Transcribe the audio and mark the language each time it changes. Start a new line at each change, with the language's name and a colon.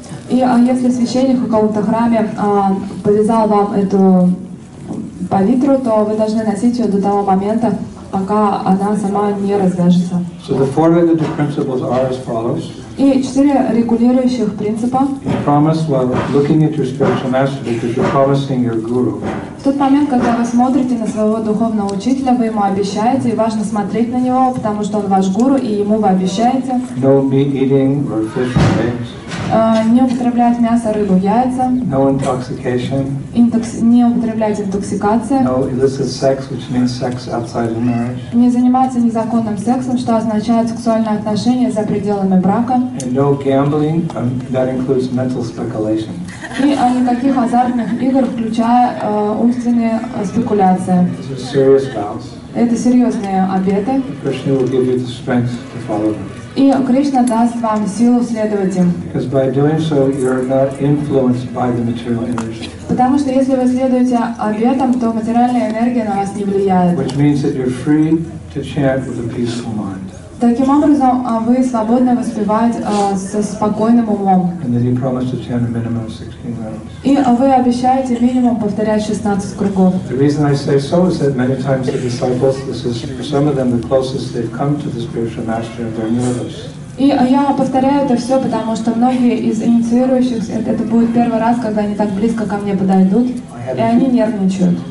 Russian: И если священник в каком-то храме повязал вам эту палитру, то вы должны носить ее до того момента, пока она сама не развяжется.
English: So the four religious principles are as follows.
Russian: И четыре регулирующих принципа.
English: You promise while looking at your spiritual master because you're promising your guru.
Russian: В тот момент, когда вы смотрите на своего духовного учителя, вы ему обещаете, и важно смотреть на него, потому что он ваш гуру, и ему вы обещаете.
English: No meat eating or fish or eggs.
Russian: Не употреблять мясо, рыбу, яйца.
English: No intoxication.
Russian: Не употреблять интоксикация.
English: No illicit sex, which means sex outside of marriage.
Russian: Не заниматься незаконным сексом, что означает сексуальные отношения за пределами брака.
English: And no gambling, that includes mental speculation.
Russian: И никаких азартных игр, включая умственные спекуляции.
English: These are serious vows.
Russian: Это серьезные обеты.
English: Krishna will give you the strength to follow them.
Russian: И Кришна даст вам силу следовать им.
English: Because by doing so, you're not influenced by the material energy.
Russian: Потому что если вы следуете обетам, то материальная энергия на вас не влияет.
English: Which means that you're free to chant with a peaceful mind.
Russian: Таким образом, вы свободны воспевать со спокойным умом.
English: And then you promise to chant a minimum of 16 rounds.
Russian: И вы обещаете минимум повторять 16 кругов.
English: The reason I say so is that many times the disciples, this is for some of them the closest they've come to the spiritual master of their nirvas.
Russian: И я повторяю это все, потому что многие из инициирующих, это будет первый раз, когда они так близко ко мне подойдут, и они нервничают.